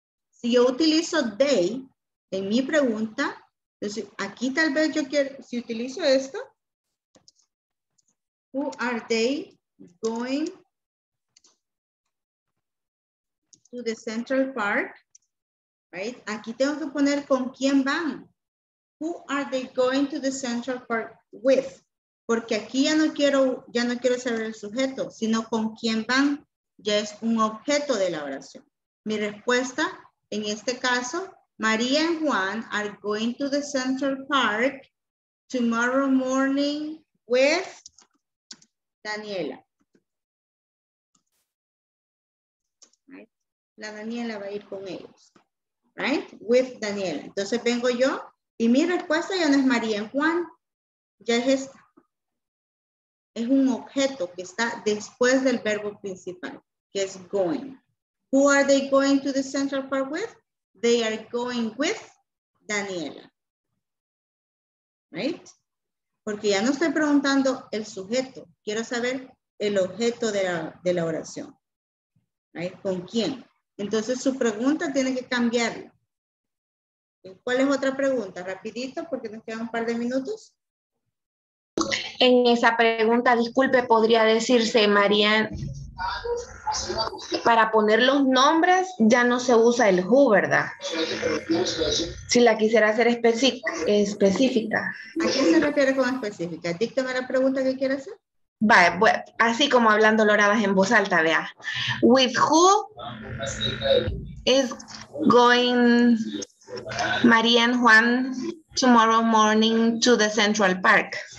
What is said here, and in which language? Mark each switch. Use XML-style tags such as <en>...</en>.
<es>Si yo utilizo they en mi pregunta, entonces aquí tal vez yo quiero, si utilizo esto,</es> <en>who are they going to the Central Park, right?</en> <es>Aquí tengo que poner con quién van.</es> <en>Who are they going to the Central Park with?</en> <es>Porque aquí ya no quiero saber el sujeto, sino con quién van. Ya es un objeto de la oración. Mi respuesta, en este caso,</es> <en>María and Juan are going to the Central Park tomorrow morning with Daniela.</en> <es>La Daniela va a ir con ellos, right?</es> <en>With Daniela.</en> <es>Entonces vengo yo y mi respuesta ya no es María y Juan, ya es esta. Es un objeto que está después del verbo principal, que es going.</es> <en>Who are they going to the Central Park with? They are going with Daniela. Right?</en> <es>Porque ya no estoy preguntando el sujeto, quiero saber el objeto de la oración. Right? ¿Con quién? Entonces su pregunta tiene que cambiarla. ¿Cuál es otra pregunta? Rapidito, porque nos quedan un par de minutos. En esa pregunta, disculpe, podría decirse, María, para poner los nombres ya no se usa el who, ¿verdad? Si la quisiera hacer específica. ¿A quién se refiere con específica? Díctame la pregunta que quiere hacer. Vale, así como hablando loradas en voz alta, vea.</es> <en>With who is going María y Juan tomorrow morning to the Central Park?</en>